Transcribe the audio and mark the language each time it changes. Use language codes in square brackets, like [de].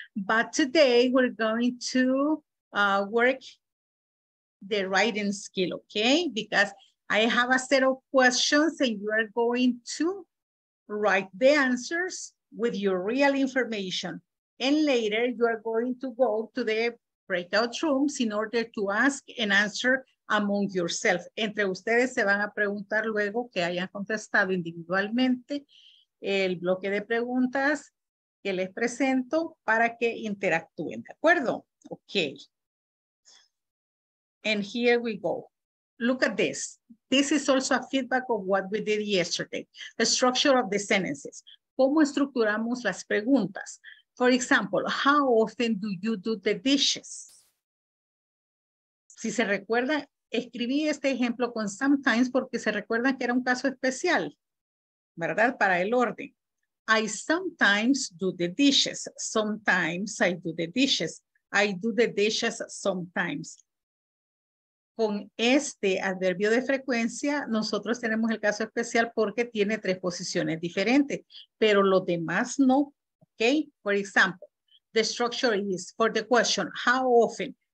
[en] But today we're going to work the writing skill, okay? Because I have a set of questions and you are going to write the answers with your real information. And later you are going to go to the breakout rooms in order to ask and answer among yourself. [es] Entre ustedes se van a preguntar luego que hayan contestado individualmente el bloque de preguntas que les presento para que interactúen, ¿de acuerdo? [en] Okay. And here we go. Look at this. This is also a feedback of what we did yesterday. The structure of the sentences. [es] ¿Cómo estructuramos las preguntas? [en] For example, how often do you do the dishes? [es] Si se recuerda, escribí este ejemplo con sometimes porque se recuerda que era un caso especial, ¿verdad? Para el orden. [en] I sometimes do the dishes. Sometimes I do the dishes. I do the dishes sometimes. [es] Con este adverbio de frecuencia, nosotros tenemos el caso especial porque tiene tres posiciones diferentes, pero los demás no. [en] Okay, for example, the structure is for the question, how often?